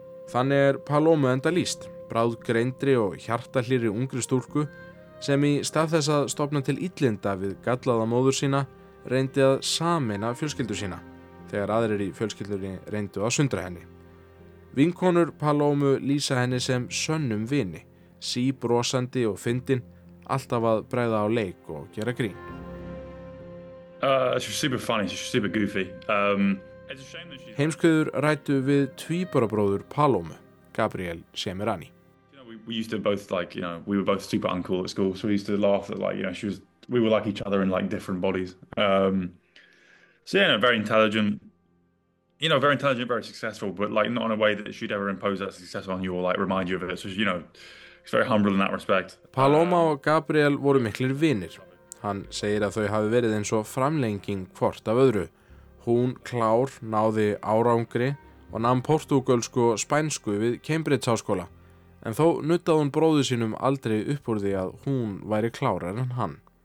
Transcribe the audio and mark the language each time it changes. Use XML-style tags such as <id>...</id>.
<is>Þannig Palomu enda líst, bráð greindri og hjartahlýri ungri stúlku sem í stað þess að stofna til illinda við gallaða móður sína reyndi að sameina fjölskyldu sína þegar aðrir í fjölskyldunni reyndu að sundra henni. Vinkonur Palomu lýsa henni sem sönnum vini, síbrosandi og fyndin, alltaf að bregða á leik og gera grín.</is> <en>She's super funny, she's super goofy.</en> <is>Heimskuður rættu við tvíburabróður Palomu, Gabriel Shimarani.</is> <en>You know, we used to both like, you know, we were both super uncool at school, so we used to laugh at like, you know, we were like each other in like different bodies. Very intelligent, very successful, but like not in a way that she'd ever impose that success on you or like remind you of it. So, you know, it's very humble in that respect.</en> <is>Paloma og Gabriel voru miklir vinir. Hann segir að þau hafi verið eins og framlenging hvort af öðru. Hún klár náði árangri og nam portúgölsku og spænsku við Cambridge háskóla. En þó nuttaði hún bróður sínum aldrei upp úr því að hún væri klárar en hann.</is>